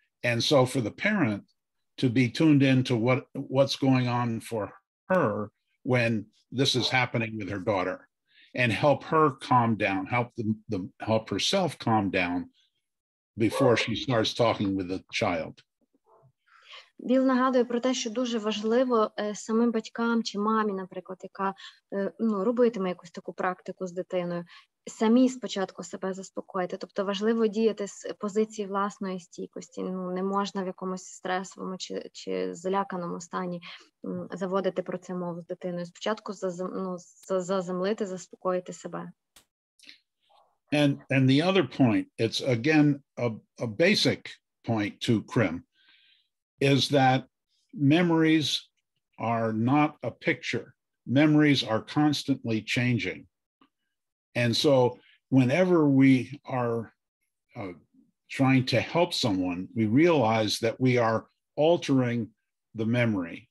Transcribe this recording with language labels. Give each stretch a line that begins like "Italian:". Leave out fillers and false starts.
English: And so for the parent to be tuned in to what's going on for her when this is happening with her daughter and help her calm down, help herself calm down before she starts talking with the child.
Ukrainian: Біл нагадує про те, що дуже важливо самим батькам чи мамі, наприклад, яка робитиме якусь таку практику з дитиною, самі спочатку себе заспокоїти. Тобто важливо діяти з позиції власної стійкості. Ну, не можна в якомусь стресовому чи зляканому стані заводити про це мову з дитиною. Спочатку заземлити, заспокоїти себе.
English: And the other point, it's again a basic point to Krim, is that memories are not a picture. Memories are constantly changing. And so whenever we are trying to help someone, we realize that we are altering the memory.